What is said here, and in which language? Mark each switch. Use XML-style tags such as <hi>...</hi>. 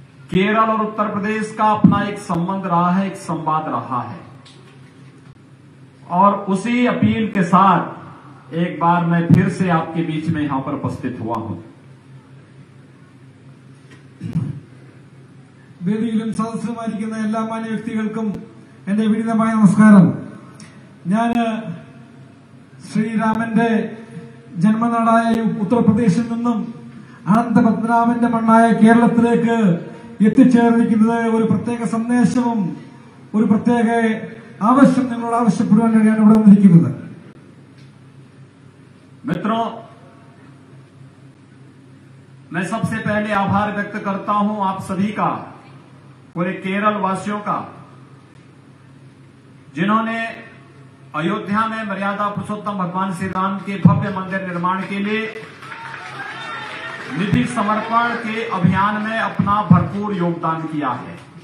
<hi>केरल और उत्तर प्रदेश का अपना एक संबंध रहा है, एक संवाद रहा है, और उसी अपील के साथ एक बार मैं फिर से आपके बीच में यहां पर उपस्थित हुआ हूं।</hi> <ml>വേദിയിലും സദസ്സിലുമായിരിക്കുന്ന എല്ലാ മാന്യ വ്യക്തികൾക്കും എന്റെ വിനീതമായ നമസ്കാരം. ഞാൻ ശ്രീരാമന്റെ ജന്മനാടായ ഉത്തർപ്രദേശിൽ നിന്നും അനന്തപത്മനാഭന്റെ മണ്ണായ കേരളത്തിലേക്ക് എത്തിച്ചേർന്നിരിക്കുന്നത് ഒരു പ്രത്യേക സന്ദേശവും ഒരു പ്രത്യേക ആവശ്യം നിങ്ങളോട് ആവശ്യപ്പെടുവാൻ വേണ്ടിയാണ് ഇവിടെ വന്നിരിക്കുന്നത്.</ml> <hi>മിത്രോ, മെ സബ്സേ പെഹ്ലേ ആഭാർ വ്യക്ത കർത്താ ഹൂ ആപ് സഭീ കാ, पूरे केरल वासियों का, जिन्होंने अयोध्या में मर्यादा पुरुषोत्तम भगवान श्री राम के भव्य मंदिर निर्माण के लिए निधि समर्पण के अभियान में अपना भरपूर योगदान किया है।</hi>